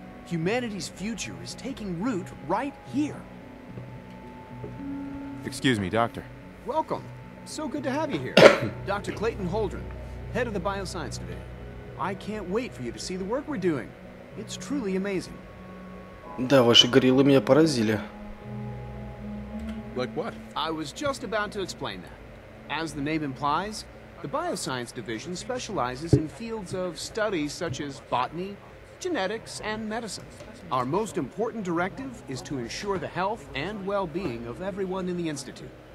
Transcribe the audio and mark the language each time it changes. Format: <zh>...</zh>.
<en>Humanity's future is taking root right here. Excuse me, doctor. Welcome. So good to have you here. Dr. Clayton Holdren, head of the Bioscience Division. I can't wait for you to see the work we're doing. It's truly amazing.</en> <ru>Да, ваши гориллы меня поразили.</ru> <en>Like what? I was just about to explain that. As the name implies, the Bioscience Division specializes in fields of study such as botany, genetics, and medicine. Our most important directive is to ensure the health and well-being of everyone in the Institute.</en>